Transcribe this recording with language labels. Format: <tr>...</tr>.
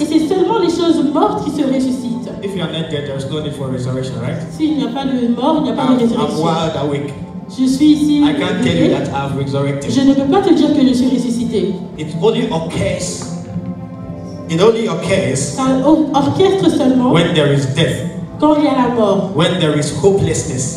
<fr>Et c'est seulement les choses mortes qui se ressuscitent.</fr> <en>If you are not dead, there's no need for resurrection, right?</en> <fr>Si il n'y a pas de mort, il n'y a pas de résurrection.</fr> <en>I'm wild awake.</en> <fr>Je suis ici.</fr> <en>I can't tell you that I've resurrected.</en> <fr>Je ne peux pas te dire que je suis ressuscité.</fr> <en>It only occurs. It only occurs.</en> <fr>Ça orchestre seulement.</fr> <en>When there is death.</en> <fr>Quand il y a la mort.</fr> <en>When there is hopelessness.</en>